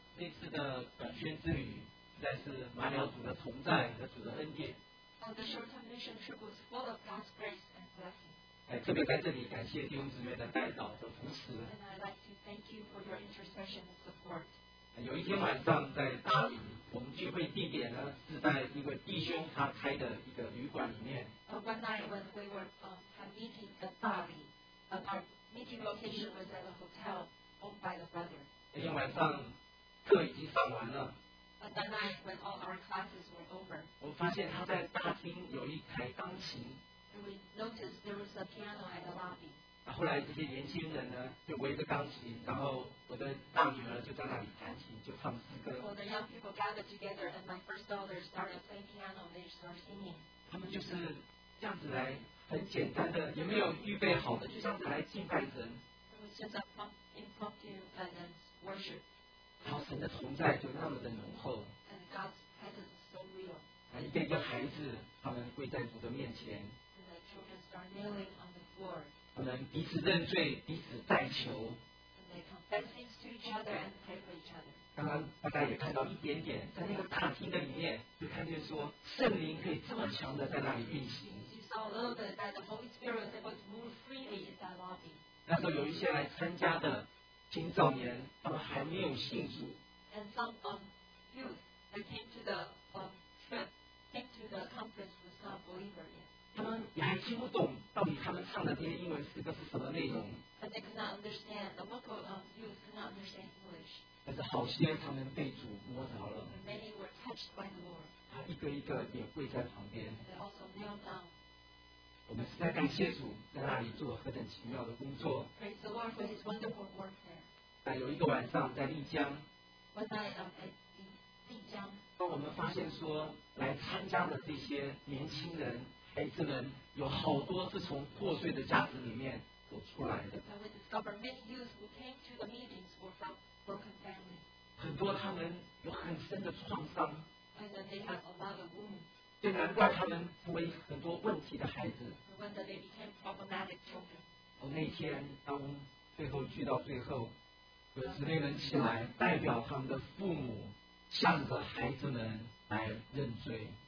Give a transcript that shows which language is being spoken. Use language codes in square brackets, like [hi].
[zh] 这次的短宣之旅，实在是满了主的同在和主的恩典。 [en] On the short mission trip was full of God's grace and blessing. [zh] 哎，特别在这里感谢弟兄姊妹的带导和扶持。 [en] And I'd like to thank you for your intercession and support. [zh] 有一天晚上在大理，我们聚会地点呢是在一个弟兄他开的一个旅馆里面。 [en] One night when we were meeting at 大理, our meeting location was at a hotel owned by the brother. [zh] 那天晚上课已经上完了。 [en] But that night when all our classes were over, [zh] 我发现他在大厅有一台钢琴。 [en] And we noticed there was a piano at the lobby. [zh] 后来这些年轻人呢就围着钢琴，然后我的大女儿就在那里弹琴，就唱诗歌。 [en] Well, the young people gathered together, and my first daughter started playing piano. They started singing. [zh] 他们就是这样子来，很简单的，也没有预备好的，就这样子来敬拜神。 [en] It was just a impromptu and then worship. [zh] 然后神的同在就那么的浓厚。 [en] And God's presence is so real. [zh] 一个一个孩子，他们跪在主的面前。 [en] And the children start kneeling on the floor. [zh] 他们彼此认罪，彼此代求。 [en] And they confess things to each other and pray for each other. [zh] 刚刚大家也看到一点点，在那个大厅的里面，就看见说圣灵可以这么强的在那里运行。 [en] You saw a little bit that the Holy Spirit was able to move freely in that lobby. [zh] 那时候有一些来参加的青少年，他们还没有信主。 [en] And some youth that came to the came to the conference was not believer yet. [zh] 他们也还听不懂到底他们唱的这些英文诗歌是什么内容。 [en] But they could not understand the local youth could not understand English. [zh] 但是好些他们被主摸着了。 [en] And many were touched by the Lord. [zh] 他一个一个也跪在旁边。 [en] They also knelt down. [zh] 我们实在感谢主在那里做何等奇妙的工作。 [en] Praise the Lord for His wonderful work there. [zh] 有一个晚上在丽江。 [en] One night at 丽江。 [zh] 当我们发现说来参加的这些年轻人、孩子们，有好多是从破碎的家庭里面走出来的。 [en] We discovered many youth who came to the meetings were from broken families. [zh] 很多他们有很深的创伤。 [en] And they have a lot of wounds. [zh] 就难怪他们成为很多问题的孩子。我那天当最后聚到最后，有姊妹们起来代表他们的父母向着孩子们来认罪。